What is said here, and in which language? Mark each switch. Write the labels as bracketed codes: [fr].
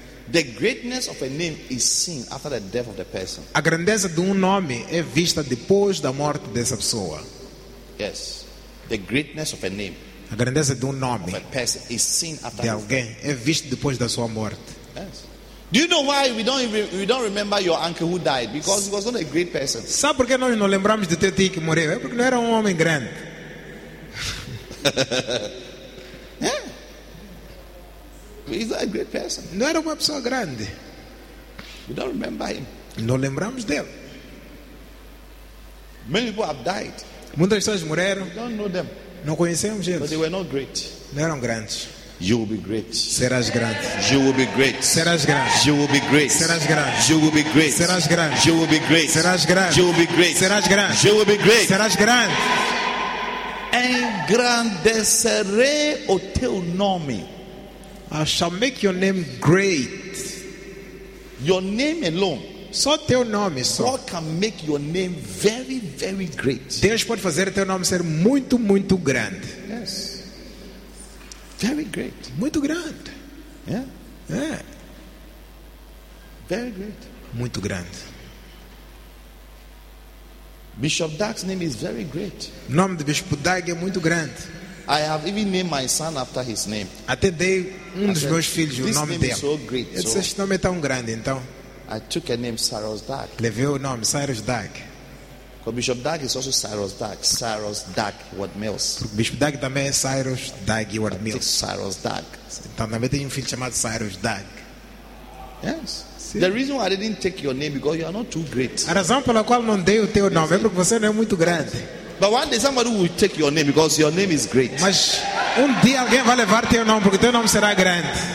[en] The greatness of a name is seen after the death of the person. [pt] A grandeza de nome é vista depois da morte dessa pessoa. [en] Yes. The greatness of a name. [pt] A grandeza de nome [en] of a person is seen after [pt] de alguém é vista depois da sua morte. [en] Yes. Do you know why we don't remember your uncle who died? Because he was not a great person. [pt] Sabe por que nós não lembramos de teu tio que morreu? É porque não era homem grande. [en] He's not a great person. [pt] Não era uma pessoa grande. [en] We don't remember him. [pt] Não lembramos dele. [en] Many people have died. [pt] Muitas pessoas morreram. [en] We don't know them. [pt] Não conhecemos eles. [en] But they were not great. [pt] Não eram grandes. [en] You will be great. [pt] Serás grande. [en] You will be great. [pt] Serás grande. [en] You will be great. [pt] Serás grande. [en] You will be great. [pt] Serás grande. [en] You will be great. [pt] Serás grande. [en] You will be great. [pt] Serás grande. [en] You will be great. [pt] Serás grande. Engrandecerei o teu nome. [en] I shall make your name great. Your name alone. [pt] Só teu nome só. [en] God can make your name very, very great. [pt] Deus pode fazer teu nome ser muito, muito grande. [en] Yes. Very great. [pt] Muito grande. [en] Yeah. Yeah. Very great. [pt] Muito grande. [en] Bishop Doug's name is very great. [pt] O nome de Bispo Doug é muito grande. [en] I have even named my son after his name. [pt] Até dei dos meus filhos o nome dele. [en] This name is so great. [pt] Ele disse, este nome é tão grande, então. [en] I took a name Cyrus Dag. [pt] Levei o nome Cyrus Dag. [en] Because Bishop Dag is also Cyrus Dag. Cyrus Dag Ward Mills. [pt] Bishop Dag também é Cyrus Dag Ward Mills. [en] Cyrus Dag. [pt] Então também tem filho chamado Cyrus Dag. [en] Yes. [pt] Sim. [en] The reason why I didn't take your name because you are not too great. [pt] A razão pela qual não dei o teu nome é porque você não é muito grande. [en] But one day somebody will take your name because your name is great. [pt] Mas dia alguém vai levar teu nome porque teu nome será grande.